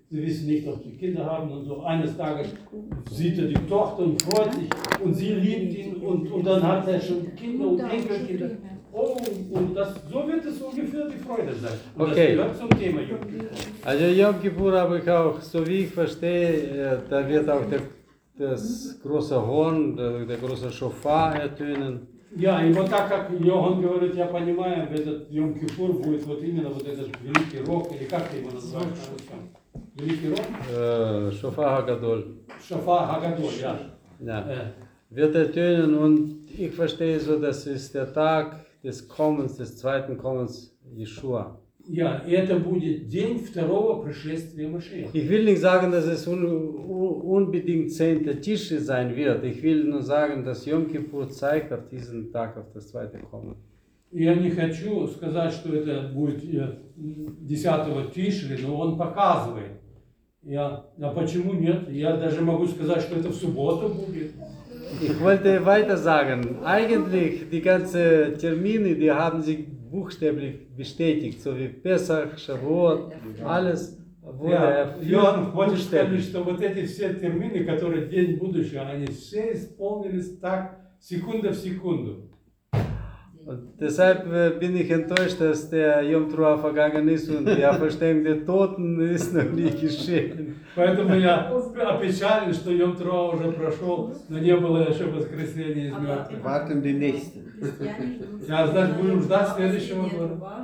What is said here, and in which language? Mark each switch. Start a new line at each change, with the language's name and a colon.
German: Sie wissen nicht, ob sie Kinder haben und so. Eines Tages sieht er die Tochter und freut sich und sie liebt ihn und dann hat er schon Kinder und Enkelkinder. Oh, und das, so wird es ungefähr die Freude sein. Und okay. Das gehört zum Thema Yom Kippur. Also Yom Kippur habe ich auch, so wie ich verstehe, da wird auch das große Horn, der große Shofar ertönen.
Russian: Ja, и вот так, как Йоган говорит, я понимаю, этот Йом Кипур будет вот именно вот этот великий рог, или как ты его называешь? Великий рог? Шофар Хагадоль. Шофар Хагадоль, ja.
German: Ja. Wird ertönen, und ich verstehe so, das ist der Tag des Kommens, des zweiten Kommens Yeshua.
Russian: Ja, и это будет день второго пришествия Машеха.
German: Ich will nicht sagen, dass es unbedingt 10. Tisch sein wird. Ich will nur sagen, dass Yom Kippur zeigt auf diesen Tag, auf das zweite Kommen.
Russian: Я не хочу сказать, что это будет 10. Tisch, но он показывает. Ja, а почему нет? Я даже могу сказать, что это в субботу будет.
German: Ich wollte weiter sagen. Eigentlich, die ganzen Termine, die haben sich buchstäblich bestätigt, so wie Pesach, Shavuot, alles wurde buchstäblich.
Russian: Ja, Johann, вот эти все термины, которые день будущего, они все исполнились так, секунда в секунду.
German: Deshalb bin ich enttäuscht, dass der Yom Teruah vergangen ist und die Auferstehung der Toten ist noch nie geschehen.
Russian: Поэтому я опечален, что Йом Труа уже прошел, но не было еще воскресения из мертвых.
German: Warten die nächsten.
Russian: Ja, значит, будем ждать следующего года.